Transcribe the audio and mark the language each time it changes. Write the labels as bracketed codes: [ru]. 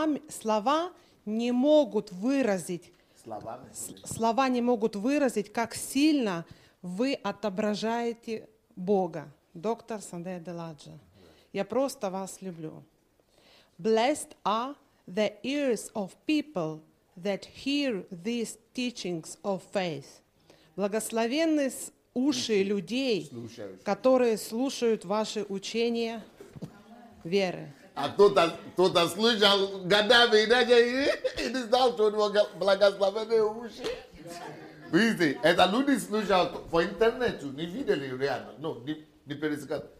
[ru] Слова не могут выразить. Слова не могут выразить, как сильно вы отображаете Бога, Dr. Sunday Adelaja. Я просто вас люблю. [en] Blessed are the ears of people that hear these teachings of faith. [ru] Благословенны уши людей, которые слушают ваши учения веры. А кто-то слышал годами и даже не знал, что у него благословенные уши. Видите, это люди слушали по интернету, не видели реально, но не пересекали.